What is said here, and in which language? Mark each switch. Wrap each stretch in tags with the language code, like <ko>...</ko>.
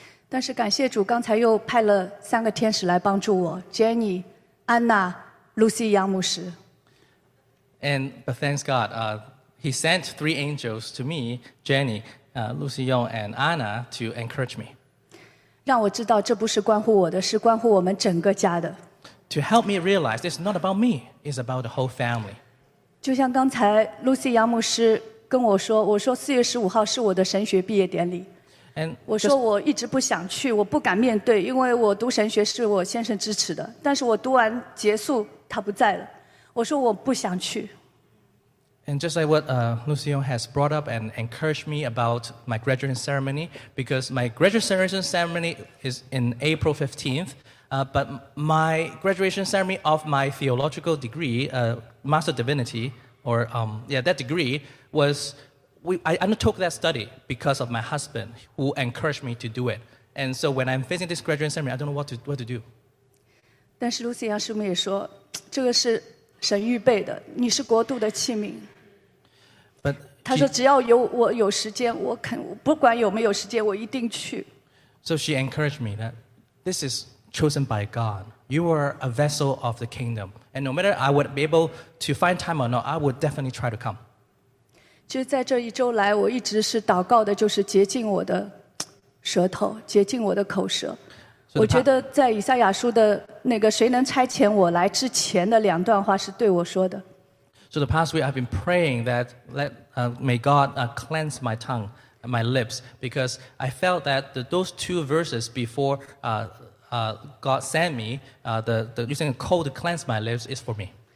<zh>但是感谢主，刚才又派了三个天使来帮助我，Jenny, Anna, Lucy, 杨牧师。</zh> <en>And but thanks God, he sent three angels to me, Jenny, Lucy Yong, and Anna, to encourage me.</en> <zh>让我知道这不是关乎我的，是关乎我们整个家的。</zh> <en>To help me realize it's not about me, it's about the whole family.</en> <zh>就像刚才 Lucy 杨牧师跟我说，我说4月15号是我的神学毕业典礼。我说我一直不想去，我不敢面对，因为我读神学是我先生支持的。但是我读完结束，他不在了。我说我不想去。</zh> <en>And just like what Lucy Yong has brought up and encouraged me about my graduation ceremony, because my graduation ceremony is in April 15th. But my graduation ceremony of my theological degree, Master Divinity, or that degree, was I undertook that study because of my husband, who encouraged me to do it. And so when I'm facing this graduation ceremony, I don't know what to do.</en> <zh>但是 Lucy 杨师母也说，这个是神预备的，你是国度的器皿。</zh> <en>But</en> <zh>他说只要有我有时间，我肯不管有没有时间，我一定去。</zh> <en>So she encouraged me that this is chosen by God. You are a vessel of the kingdom. And no matter I would be able to find time or not, I would definitely try to come.</en> <zh>就是在这一周来，我一直是祷告的，就是洁净我的舌头，洁净我的口舌。我觉得在以赛亚书的那个谁能差遣我来之前的两段话是对我说的。</zh> <en>So the past week I've been praying that may God cleanse my tongue and my lips, because I felt that those two verses before God sent me, the using a coal to cleanse my lips is for me.</en>